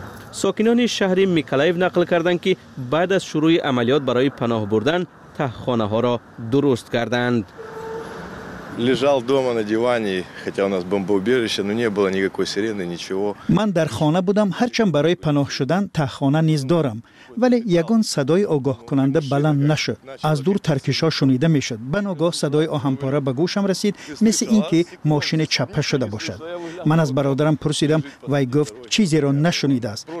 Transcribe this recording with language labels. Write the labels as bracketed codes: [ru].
[fa] ساکنان شهر میکولف نقل کردند که بعد از شروع عملیات برای پناه بردن ته خانه‌ها را درست کردند. [ru] лежал дома на диване, хотя у нас бомбоубежище, но не было никакой сирены, ничего. [tg] Ман дар хона будам, харчан барои паноҳ шудан та хона низ дорам, вале ягон садои огоҳкунанда баланд нашуд. Аз дур таркишҳо шунида мешуд. Ба ногоҳ садои оҳампора ба гӯшам расид, мисли инки мошин чаппа шуда бошад. Ман аз бародарам пурсидам, вай гуфт чизеро нашунидааст.